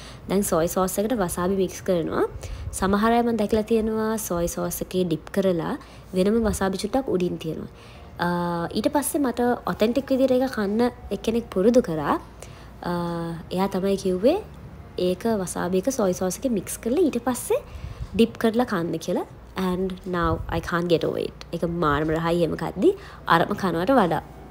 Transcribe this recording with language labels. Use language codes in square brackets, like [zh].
[si] දැන් සොය සෝස් එකට වසාබි මික්ස් කරනවා. සමහර අය මම දැකලා තියෙනවා සොය සෝස් එකේ ඩිප් කරලා වෙනම වසාබි චුට්ටක් උඩින් තියනවා. ඊට පස්සේ මට ඔතෙන්ටික් විදිහට ඒක කන්න එක්කෙනෙක් පුරුදු කරා. එයා තමයි කිව්වේ ඒක වසාබි එක සොය සෝස් එකේ මික්ස් කරලා ඊට පස්සේ ඩිප් කරලා කන්න කියලා. [en] And now I can't get over it. [si] ඒක මාරම රහයි එහෙම කද්දි අරම කනවට වඩා.